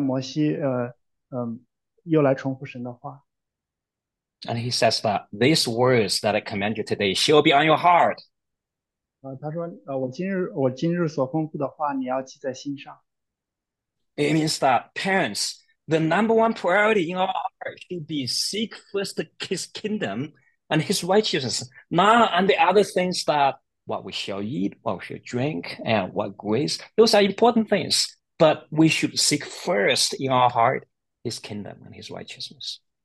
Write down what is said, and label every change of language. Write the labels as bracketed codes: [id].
[zh] 那接下来摩西又来重复神的话。 [en] And he says that these words that I command you today shall be on your heart. [zh] 他说，我今日所吩咐的话，你要记在心上。 [en] It means that parents, the number one priority in our heart should be seek first his kingdom and his righteousness, not on the other things that what we shall eat, what we shall drink, and what grace. Those are important things, but we should seek first in our heart his kingdom and his righteousness.